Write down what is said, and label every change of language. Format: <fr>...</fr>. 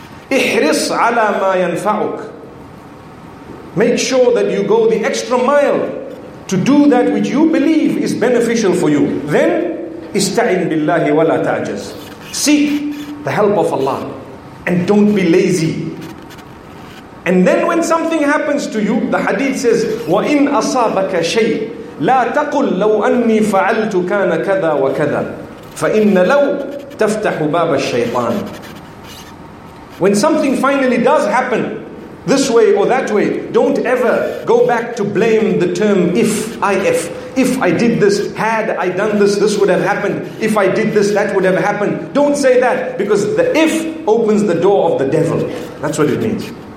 <ar>إِحْرِصْ عَلَى مَا يَنْفَعُكْ.</ar> <en>Make sure that you go the extra mile to do that which you believe is beneficial for you. Then,</en> <ar>إِسْتَعِنْ بِاللَّهِ وَلَا تَعْجَزْ.</ar> <en>Seek the help of Allah. and don't be lazy. And then when something happens to you, the hadith says,</en> <ar>وَإِنْ أَصَابَكَ شَيْءٍ لَا تَقُلْ لَوْ أَنِّي فَعَلْتُ كَانَ كَذَا وَكَذَا فَإِنَّ لَوْ تَفْتَحُ بَابَ الشَّيْطَانِ.</ar> <en>When something finally does happen, this way or that way, don't ever go back to blame the term if. If I did this, had I done this, this would have happened. If I did this, that would have happened. Don't say that, because the if opens the door of the devil. That's what it means.</en>